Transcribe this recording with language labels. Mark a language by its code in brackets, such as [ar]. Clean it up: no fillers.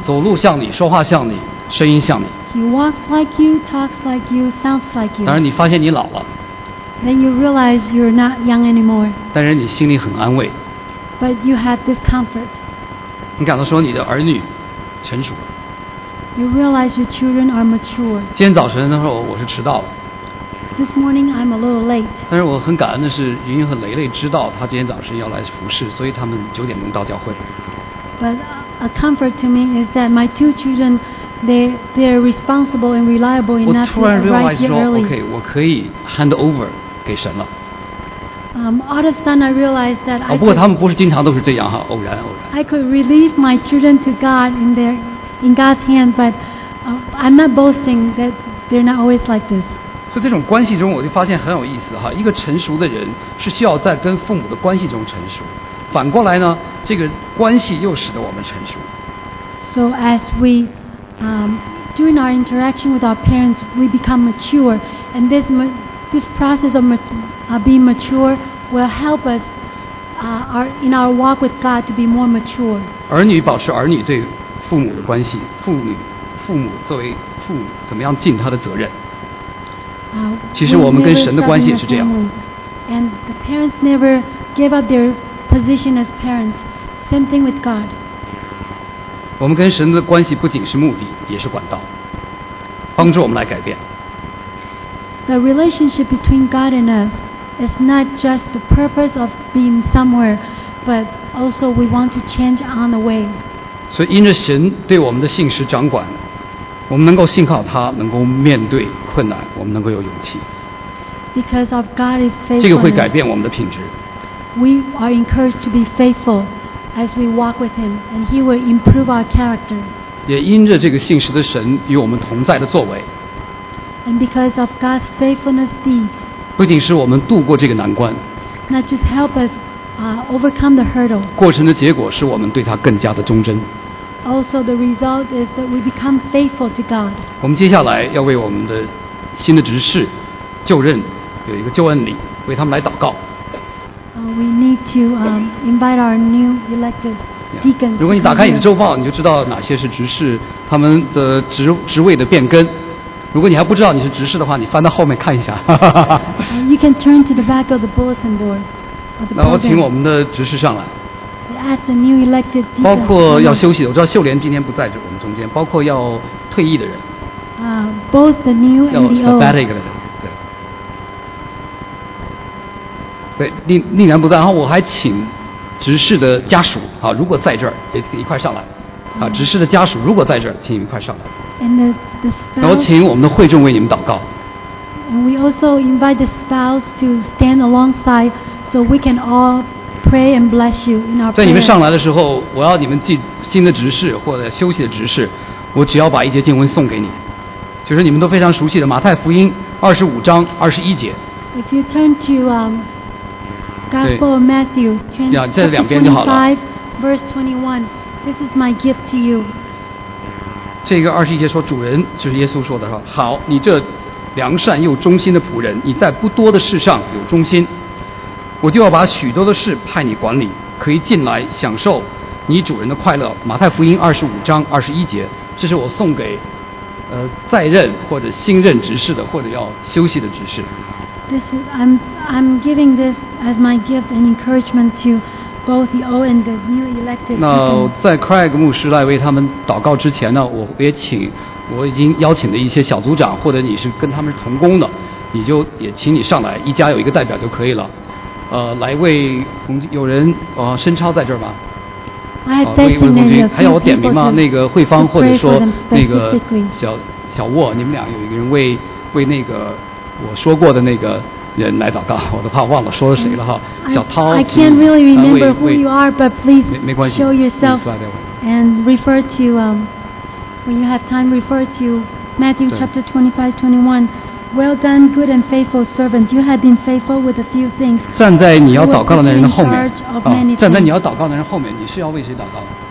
[zh] 走路像你，说话像你，声音像你。 [en] He walks like you, talks like you, sounds like you. [zh] 当然你发现你老了。 [en] Then you realize you're not young anymore. [zh] 但是你心里很安慰。 [en] But you have this comfort. [zh] 你感到说你的儿女成熟了。 [en] You realize your children are mature. [zh] 今天早晨的时候我是迟到了。 [en] This morning I'm a little late. [zh] 但是我很感恩的是，云云和雷雷知道他今天早上要来服侍，所以他们九点钟到教会。 [en] But a comfort to me is that my two children, they're responsible and reliable enough to arrive here early. [zh] Okay, 我可以 [en] hand over [zh] 给神了。 [en] All of a sudden I realized that. [zh] 不过他们不是经常都是这样哈，偶然偶然。 [en] I could relieve my children to God in God's hand, but I'm not boasting that they're not always like this. [zh] 在这种关系中，我就发现很有意思哈。一个成熟的人是需要在跟父母的关系中成熟，反过来呢，这个关系又使得我们成熟。 [en] So as we during our interaction with our parents, we become mature, and this process of being mature will help us in our walk with God to be more mature. [zh] 儿女保持儿女对父母的关系，父母作为父母怎么样尽他的责任。其实我们跟神的关系也是这样。 [en] And the parents never gave up their position as parents. Same thing with God. [zh] 我们跟神的关系不仅是目的，也是管道，帮助我们来改变。 [en] The relationship between God and us is not just the purpose of being somewhere, but also we want to change on the way. [zh] 所以因着神对我们的信实掌管。我们能够信靠他，能够面对困难，我们能够有勇气。 [en] Because of God is faithful. [zh] 这个会改变我们的品质。 [en] We are encouraged to be faithful as we walk with Him, and He will improve our character. [zh] 也因着这个信实的神与我们同在的作为。 [en] And because of God's faithfulness deeds. [zh] 不仅是我们度过这个难关。 [en] Not just help us overcome the hurdle. [zh] 过程的结果是我们对他更加的忠贞。 [en] Also, the result is that we become faithful to God. [zh] 我们接下来要为我们的新的执事就任有一个就恩礼，为他们来祷告。 [en] We need to invite our new elected deacons. [zh] 如果你打开你的周报，你就知道哪些是执事，他们的职位的变更。如果你还不知道你是执事的话，你翻到后面看一下。 [en] You can turn to the back of the bulletin board. [zh] 那我请我们的执事上来。 [en] As a new elected deacon, [zh] 包括要休息的，我知道秀莲今天不在这我们中间，包括要退役的人。 [en] both the new and the old. [zh] 要 sabbatic 的人。对，令然不在，然后我还请执事的家属啊，如果在这儿也一块上来啊，执事的家属如果在这儿，请你们一块上来。 [en] And the spouse, [zh] 然后请我们的会众为你们祷告。 [en] And we also invite the spouse to stand alongside so we can all pray and bless you in our prayer. [zh] 在你们上来的时候，我要你们记新的执事或者休息的执事，我只要把一节经文送给你，就是你们都非常熟悉的马太福音25:21。 [en] If you turn to Gospel of Matthew, chapter 25, verse 21. This is my gift to you. [zh] 这个二十一节说，主人就是耶稣说的，说好，你这良善又忠心的仆人，你在不多的事上有忠心，我就要把许多的事派你管理，可以进来享受你主人的快乐。马太福音25:21，这是我送给在任或者新任执事的，或者要休息的执事。 [en] This is, I'm giving this as my gift and encouragement to both the old and the new elected. [zh] 那在 Craig 牧师来为他们祷告之前呢，我也请我已经邀请的一些小组长，或者你是跟他们是同工的，你就也请你上来，一家有一个代表就可以了。来为同有人申超在这儿吗？为同军还要我点名吗？那个慧芳或者说 [en] for them [zh] 那个小沃，你们俩有一个人为那个。我说过的那个人来祷告，我都怕忘了说了谁了哈。小涛， [en] I can't really remember who you are, but please [zh] 没关系 [en] show yourself and refer to when you have time, refer to Matthew chapter 25:21. Well done, good and faithful servant. You have been faithful with a few things. [zh] 站在你要祷告的那人后面站在你要祷告的人后面，你是要为谁祷告？